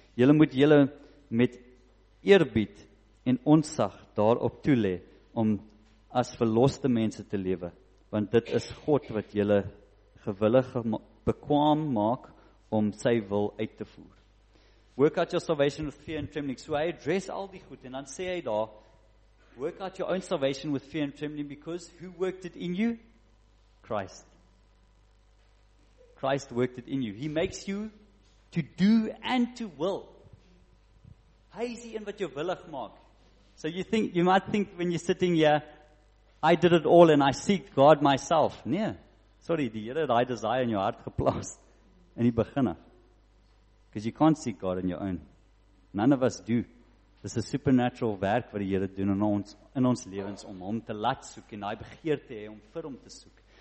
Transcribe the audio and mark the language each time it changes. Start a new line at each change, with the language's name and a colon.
Afrikaans: Julle moet julle met eerbied en ontzag daarop toelê om as verloste mense te lewe, want dit is God wat julle gewillig bekwaam maak om sy wil uit te voer.
English: Work out your salvation with fear and trembling.
Afrikaans: So hy address al die goed en dan sê hy daar,
English: work out your own salvation with fear and trembling, because who worked it in you? Christ worked it in you. He makes you to do and to will.
Afrikaans: Hy is die een wat jou willig maak.
English: So you might think when you're sitting here, I did it all and I seek God myself. Nee.
Afrikaans: Sorry, die Here het daai desire in jou hart geplaas in die begin.
English: Because you can't seek God on your own. None of us do.
Afrikaans: Dis 'n supernatural werk wat die Here doen in ons lewens om hom te laat soek en daai begeerte hê om vir hom te soek.